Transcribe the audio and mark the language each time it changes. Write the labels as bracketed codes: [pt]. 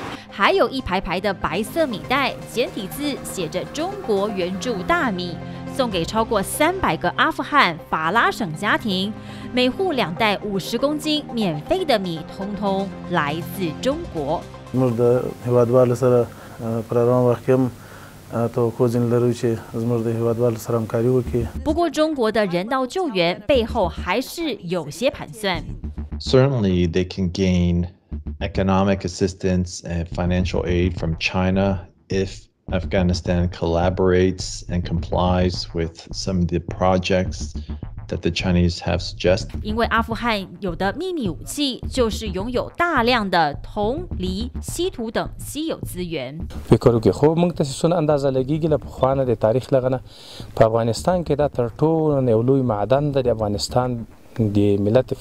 [zh] 还有一排排的白色米袋，简体字写着“中国援助大米”，送给超过300个阿富汗法拉省家庭，每户两袋50公斤免费的米，通通来自中国。不过，中国的人道救援背后还是有些盘算。 [en] Certainly, they can gain economic assistance and financial aid from China if Afghanistan collaborates and complies with some of the projects that the Chinese have suggested. [zh] 因为阿富汗有的秘密武器就是拥有大量的铜、锂、稀土等稀有资源。比如说，我们在说安达扎勒基基的普华的历史了，在阿富汗的其他多数的内陆马丹的阿富汗。